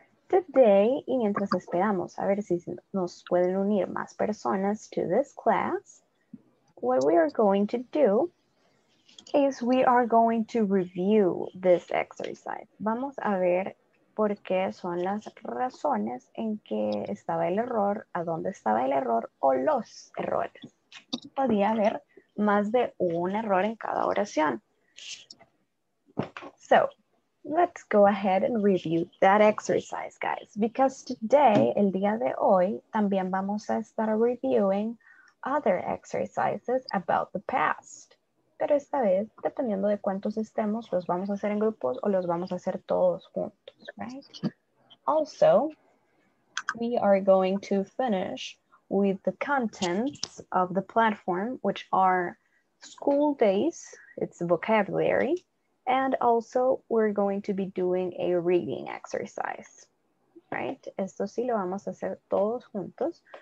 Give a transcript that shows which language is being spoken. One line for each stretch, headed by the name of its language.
English: today.
Spanish: Y mientras esperamos a ver si nos pueden unir más personas
English: to this class, what we are going to do is we are going to review this exercise.
Spanish: Vamos a ver por qué son las razones en que estaba el error, a dónde estaba el error o los errores. Podía haber más de un error en cada oración.
English: So, let's go ahead and review that exercise, guys. Because today,
Spanish: el día de hoy, también vamos a estar
English: reviewing other exercises about the past.
Spanish: Pero esta vez, dependiendo de cuántos estemos, los vamos a hacer en grupos o los vamos a hacer todos juntos, right?
English: Also, we are going to finish with the contents of the platform, which are school days, it's vocabulary, and also we're going to be doing a reading exercise, right?
Spanish: Esto sí lo vamos a hacer todos juntos.